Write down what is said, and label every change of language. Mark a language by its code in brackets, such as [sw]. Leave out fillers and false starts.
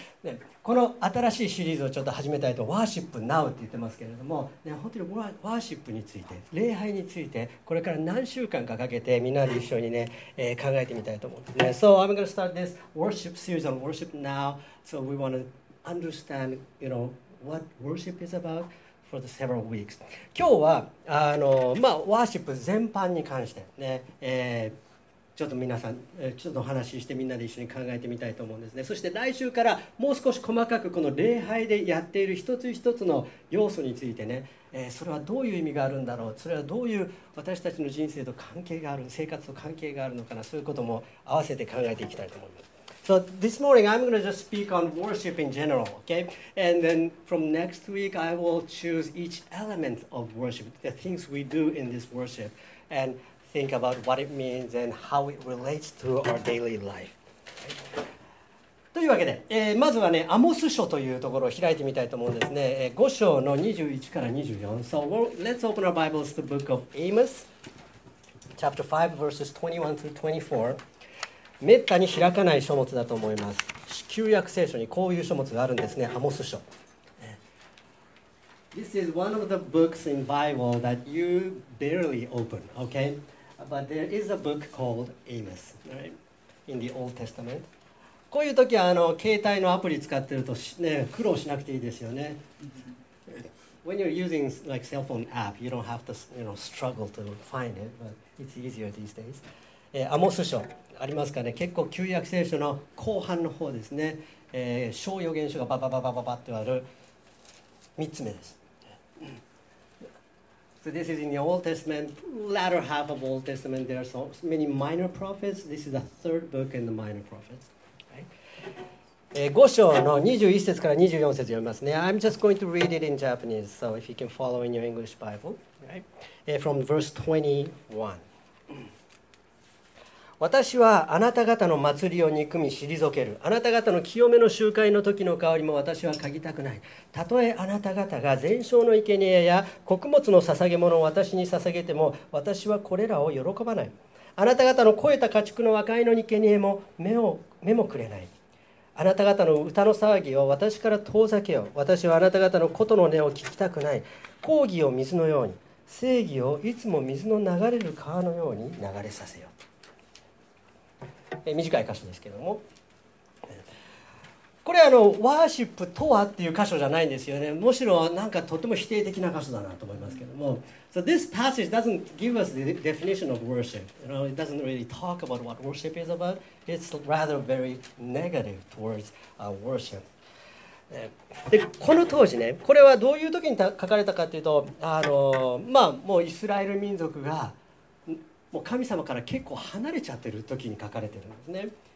[ja] ね、この新しいシリーズをちょっと始めたいと、ワーシップ Now って言ってますけれども、ね、本当にワーシップについて、礼拝について、これから何週間かかけてみんなで一緒にね、考えてみたいと思うんですね。 [en] So I'm going to start this worship series on worship now. So we want to understand, you know, what worship is about for the several weeks. [ja] 今日は、まあ、ワーシップ全般に関してね、ちょっと皆さんちょっとお話ししてみんなで一緒に考えてみたいと思うんですね。そして来週からもう少し細かくこの礼拝でやっている一つ一つの要素についてね、それはどういう意味があるんだろう、それはどういう私たちの人生と関係がある、生活と関係があるのかな、そういうことも合わせて考えていきたいと思います。 [en] So this morning I'm going to just speak on worship in general, okay? And then from next week I will choose each element of worship, the things we do in this worship, andThink about what it means and how it relates to our daily life. [ja] というわけで、まずはね、アモス書というところを開いてみたいと思うんですね。 5章の21から24。 [en] So let's open our Bibles to the book of Amos, chapter 5, verses 21 through 24. [ja] めったに開かない書物だと思います。旧約聖書にこういう書物があるんですね、アモス書。 [en] This is one of the books in Bible that you barely open, okay? But there is a book called Amos, right? In the Old Testament. [ja] こういう時は携帯のアプリ使ってると、ね、苦労しなくていいですよね。 [en] When you're using like cell phone app, you don't have to, you know, struggle to find it, but it's easier these days. [ja] アモス書ありますかね。結構旧約聖書の後半の方ですね。小予言書がババババババってある。 3つ目です。 [en] So this is in the Old Testament, latter half of Old Testament. There are so many minor prophets. This is the third book in the minor prophets. Right? [ja] 5章の21節から24節読みますね。 [en] I'm just going to read it in Japanese, so if you can follow in your English Bible. Right? From verse 21. [ja] 私はあなた方の祭りを憎み退ける。あなた方の清めの集会の時の香りも私は嗅ぎたくない。たとえあなた方が全焼の生贄や穀物の捧げ物を私に捧げても私はこれらを喜ばない。あなた方の肥えた家畜の和解の生贄も目もくれない。あなた方の歌の騒ぎを私から遠ざけよ。私はあなた方の琴の音を聞きたくない。公義を水のように、正義をいつも水の流れる川のように流れさせよ。短い箇所ですけども、これワーシップとはっていう箇所じゃないんですよね。むしろなんかとても否定的な箇所だなと思いますけども。 [en] So this passage doesn't give us the definition of worship. You know, it doesn't really talk about what worship is about. It's rather very negative towards worship. [ja] でこの当時ね、これはどういう時に書かれたかというと、まあもうイスラエル民族がもう神様から結構離れちゃってる時に書かれてるんですね。